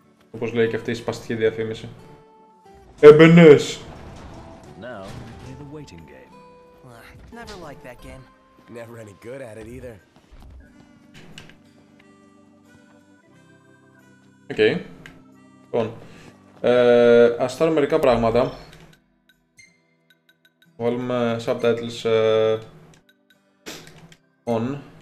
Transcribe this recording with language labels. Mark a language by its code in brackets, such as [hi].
[el] Όπως λέει και αυτή η σπαστική διαφήμιση. Εμπενές! [en] Now, play the waiting game. Never liked that game. Never any good at it either. Okay. [el] Λοιπόν, ας στάρουμε μερικά πράγματα. Βάλουμε subtitles on.